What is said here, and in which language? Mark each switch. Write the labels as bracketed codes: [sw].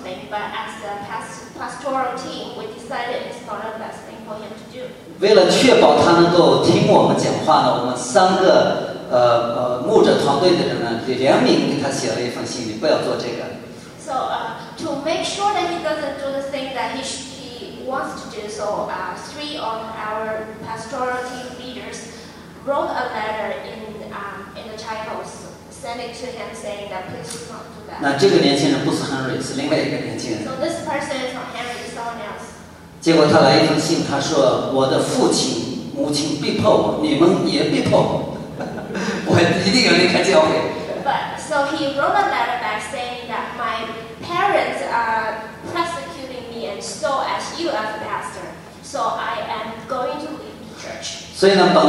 [en] But as the pastoral team, we decided it's not the best thing for him to do. [zh] 为了确保他能够听我们讲话呢，我们三个牧者团队的人呢，联名给他写了一封信，你不要做这个。 [en] So to make sure that he doesn't do the thing that he wants to do, so three of our pastoral team leaders wrote a letter in the titles. Send it to him saying that please don't do that. [zh] 那这个年轻人不是Henry，是另外一个年轻人。 [en] So this person is not Henry, someone else. [zh] 结果他来一封信，他说我的父亲、母亲逼迫我，你们也逼迫我，我一定要离开教会。 [en] But so he wrote a letter back saying that my parents are persecuting me and so as you as a pastor, so I am going to leave.